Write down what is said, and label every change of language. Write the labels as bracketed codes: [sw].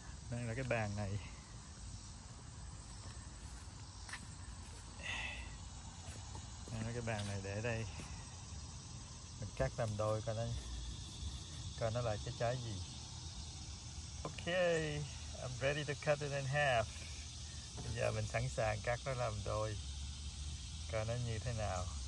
[vi] Đây là cái bàn này. Đây là cái bàn này, để đây. Mình cắt làm đôi coi nó là cái trái gì. [en] Ok, I'm ready to cut it in half. [vi] Bây giờ mình sẵn sàng cắt nó làm đôi coi nó như thế nào.